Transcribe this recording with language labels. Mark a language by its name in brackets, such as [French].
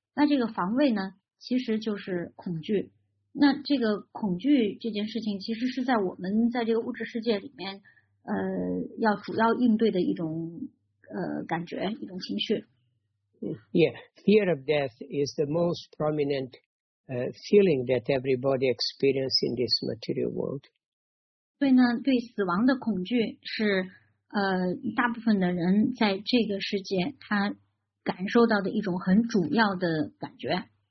[Chinese] 那这个防卫呢其实就是恐惧。那这个恐惧这件事情其实是在我们在这个物质世界里面要主要应对的一种感觉，一种情绪。 [English] Yeah, fear of death is the most prominent feeling that everybody experiences in this material world. [Chinese] 对呢，对死亡的恐惧是大部分的人在这个世界他感受到的一种很主要的感觉。